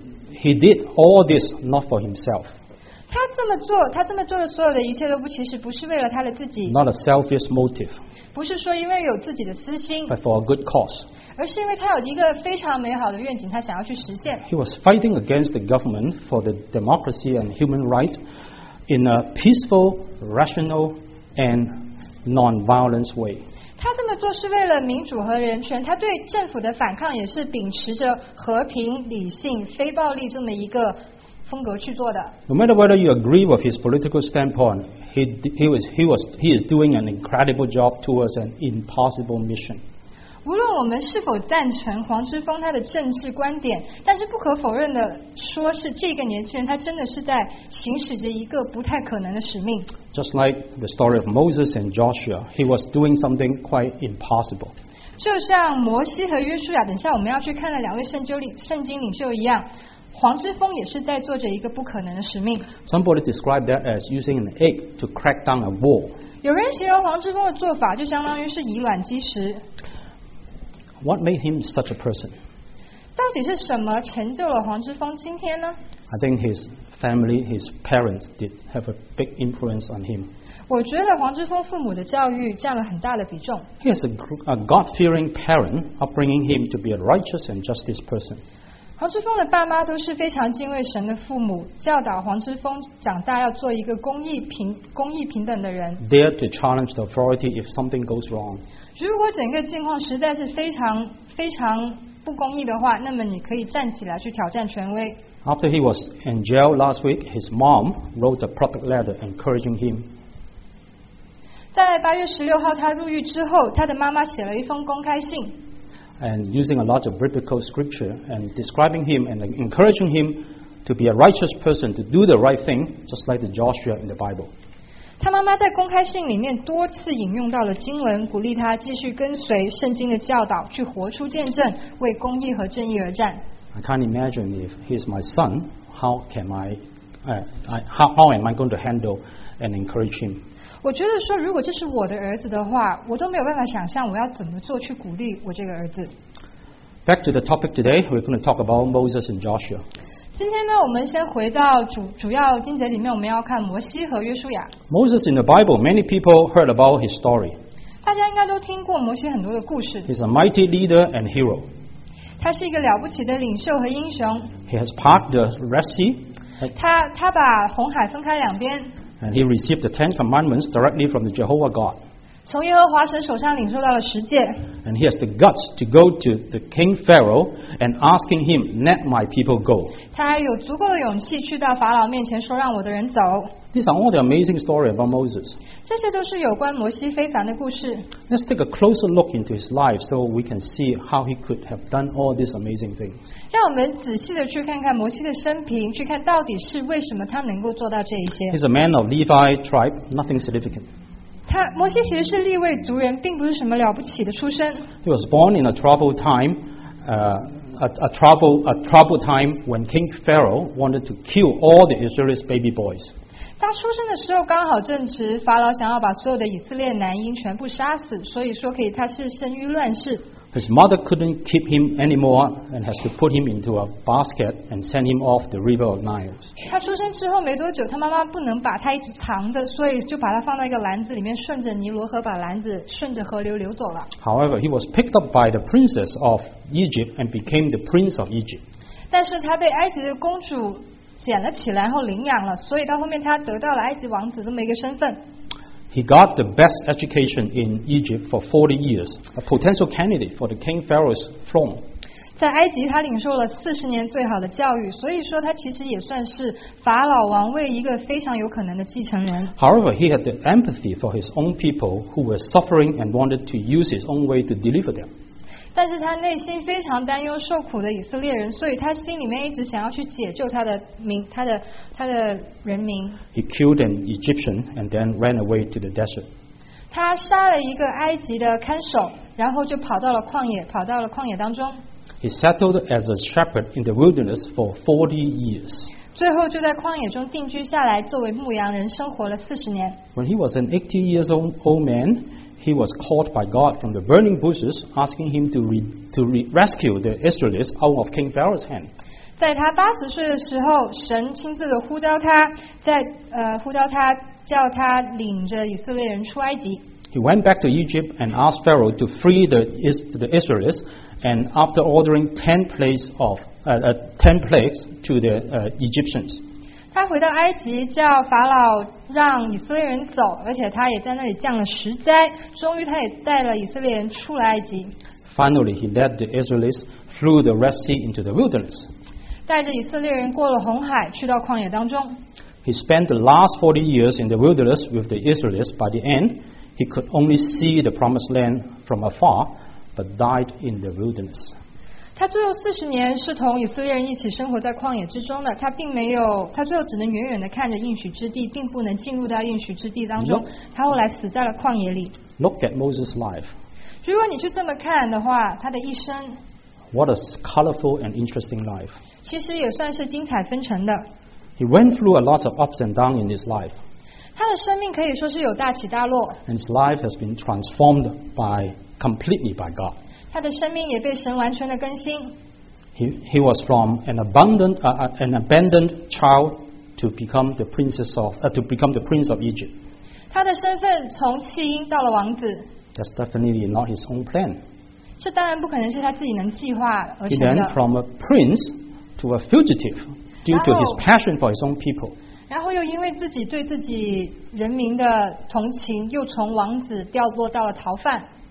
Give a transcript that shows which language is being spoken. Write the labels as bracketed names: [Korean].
[English] he did all this not for himself. [Chinese] 他这么做的所有的一切都不其实不是为了他的自己 [English] not a selfish motive. [Chinese] 不是说因为有自己的私心 [English] but for a good cause. [Chinese] 而是因为他有一个非常美好的愿景，他想要去实现。 [English] He was fighting against the government for the democracy and human rights in a peaceful, rational, and non-violent way. [Chinese] 他这么做是为了民主和人权，他对政府的反抗也是秉持着和平、理性、非暴力这么一个风格去做的。 [English] No matter whether you agree with his political standpoint, he is doing an incredible job towards an impossible mission. [Chinese] 无论我们是否赞成黄之锋他的政治观点，但是不可否认的说是这个年轻人他真的是在行使着一个不太可能的使命。 [English] Just like the story of Moses and Joshua, he was doing something quite impossible. [Chinese] 就像摩西和约书亚，等下我们要去看的两位圣经领袖一样，黄之锋也是在做着一个不可能的使命。 [English] Somebody described that as using an egg to crack down a wall. [Chinese] 有人形容黄之锋的做法就相当于是以卵击石。 [English] What made him such a person? [Chinese] 到底是什么成就了黄之锋今天呢？ [English] I think his family, his parents did have a big influence on him. [Chinese] 我觉得黄之锋父母的教育占了很大的比重。 [English] He has a God-fearing parent upbringing him to be a righteous and justice person. [Chinese] 黄之锋的爸妈都是非常敬畏神的父母，教导黄之锋长大要做一个公义平等的人。 [English] Dare to challenge the authority if something goes wrong. [Chinese] 如果整个境况实在是非常非常不公义的话，那么你可以站起来去挑战权威。 [English] After he was in jail last week, his mom wrote a public letter encouraging him. [Chinese] 在八月十六号他入狱之后，他的妈妈写了一封公开信。 [English] And using a lot of biblical scripture and describing him and encouraging him to be a righteous person to do the right thing, just like the Joshua in the Bible. [Chinese] 他妈妈在公开信里面多次引用到了经文，鼓励他继续跟随圣经的教导，去活出见证，为公义和正义而战。 [English] I can't imagine if he's my son, how am I going to handle and encourage him? [Chinese] 我觉得说，如果这是我的儿子的话，我都没有办法想象我要怎么做去鼓励我这个儿子。 [English] Back to the topic today, we're going to talk about Moses and Joshua. [Chinese] 今天呢，我们先回到主要经节里面，我们要看摩西和约书亚。 [English] Moses in the Bible, many people heard about his story. [Chinese] 大家应该都听过摩西很多的故事。 [English] He's a mighty leader and hero. [Chinese] 他是一个了不起的领袖和英雄。 [English] He has parted the Red Sea. [Chinese] 他把红海分开两边。 [English] And he received the Ten Commandments directly from the Jehovah God. [Chinese] 从耶和华神手上领受到了十诫。 [English] And he has the guts to go to the king Pharaoh and asking him, let my people go. [Chinese] 他还有足够的勇气去到法老面前说让我的人走。 [English] These are all the amazing stories about Moses. [Chinese] 这些都是有关摩西非凡的故事。 [English] Let's take a closer look into his life so we can see how he could have done all these amazing things. [Chinese] 让我们仔细的去看看摩西的生平，去看到底是为什么他能够做到这一些。 [English] He's a man of Levi tribe, nothing significant. [Chinese] 他摩西其实是利未族人，并不是什么了不起的出身。 [English] He was born in a troubled time, a troubled time when King Pharaoh wanted to kill all the Israelite baby boys. [Chinese] 他出生的时候刚好正值法老想要把所有的以色列男婴全部杀死，所以说可以他是生于乱世。 [English] His mother couldn't keep him anymore and has to put him into a basket and send him off the river of Nile. [Chinese] 他出生之后没多久，他妈妈不能把他一直藏着，所以就把他放在一个篮子里面，顺着尼罗河把篮子顺着河流流走了。 [English] However, he was picked up by the princess of Egypt and became the prince of Egypt. [Chinese] 但是他被埃及的公主捡了起来，然后领养了，所以到后面他得到了埃及王子这么一个身份。 [English] He got the best education in Egypt for 40 years, a potential candidate for the King Pharaoh's throne. [Chinese] 在埃及他领受了40年最好的教育，所以说他其实也算是法老王位一个非常有可能的继承人。 [English] However, he had the empathy for his own people who were suffering and wanted to use his own way to deliver them. [Chinese] 但是他内心非常担忧受苦的以色列人，所以他心里面一直想要去解救他的民，他的人民。 [English] He killed an Egyptian and then ran away to the desert. [Chinese] 他杀了一个埃及的看守，然后就跑到了旷野，跑到了旷野当中。 [English] He settled as a shepherd in the wilderness for 40 years. [Chinese] 最后就在旷野中定居下来，作为牧羊人生活了四十年。 [English] When he was an 80 years old man, he was called by God from the burning bushes, asking him to rescue the Israelites out of King Pharaoh's hand. [Chinese] 在他八十岁的时候，神亲自的呼召他，呼召他，叫他领着以色列人出埃及。 [English] He went back to Egypt and asked Pharaoh to free the Israelites. And after ordering 10 plagues to the Egyptians. [Chinese] 他回到埃及，叫法老让以色列人走，而且他也在那里降了十灾。终于，他也带了以色列人出了埃及。 [English] Finally, he led the Israelites through the Red Sea into the wilderness. [Chinese] 带着以色列人过了红海，去到旷野当中。 [English] He spent the last 40 years in the wilderness with the Israelites. By the end, he could only see the promised land from afar, but died in the wilderness. [Chinese] 他最后四十年是同以色列人一起生活在旷野之中的，他最后只能远远的看着应许之地，并不能进入到应许之地当中。他后来死在了旷野里。 [English] Look at Moses' life. [Chinese] 如果你去这么看的话，他的一生。 [English] What a colorful and interesting life. [Chinese] 其实也算是精彩纷呈的。 [English] He went through a lot of ups and downs in his life. [Chinese] 他的生命可以说是有大起大落。 [English] And his life has been transformed completely by God. [Chinese] 他的生命也被神完全的更新。 [English] He was from an abandoned child to become the prince of Egypt. [Chinese] 他的身份从弃婴到了王子。 [English] That's definitely not his own plan. [Chinese] 这当然不可能是他自己能计划而成的。 [English] He went from a prince to a fugitive. Due to his passion for his own people. [Chinese] 然后又因为自己对自己人民的同情，又从王子掉落到了逃犯。